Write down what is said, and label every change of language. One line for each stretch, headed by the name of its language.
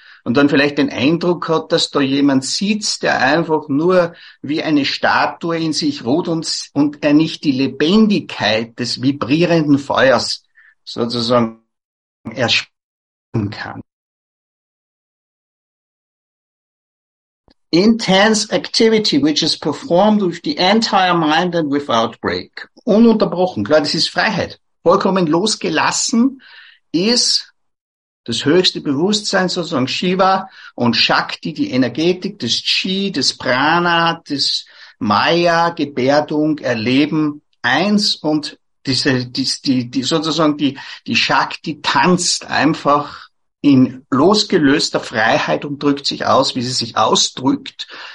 German: Und dann vielleicht den Eindruck hat, dass da jemand sitzt, der einfach nur wie eine Statue in sich ruht und er nicht die Lebendigkeit des vibrierenden Feuers sozusagen erspüren kann.
English: Intense activity, which is performed with the entire mind and without break.
German: Ununterbrochen. Klar, das ist Freiheit. Vollkommen losgelassen ist das höchste Bewusstsein, sozusagen Shiva und Shakti, die Energetik, das Chi, das Prana, das Maya, Gebärdung, Erleben, eins und die Shakti tanzt einfach in losgelöster Freiheit und drückt sich aus, wie sie sich ausdrückt,